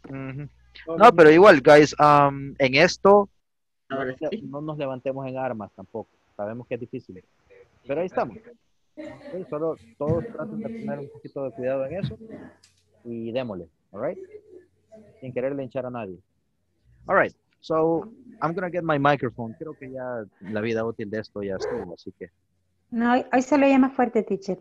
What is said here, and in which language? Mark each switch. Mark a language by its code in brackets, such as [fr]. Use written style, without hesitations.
[es] No, pero igual, guys, en esto no nos levantemos en armas tampoco. Sabemos que es difícil. Pero ahí estamos. Okay, solo todos traten de tener un poquito de cuidado en eso y démosle, all right? Sin querer linchar a nadie. [en] All right, so I'm going to get my microphone. [es] Creo que ya la vida útil de esto ya estuvo, así que. No, hoy se lo oye más fuerte, teacher.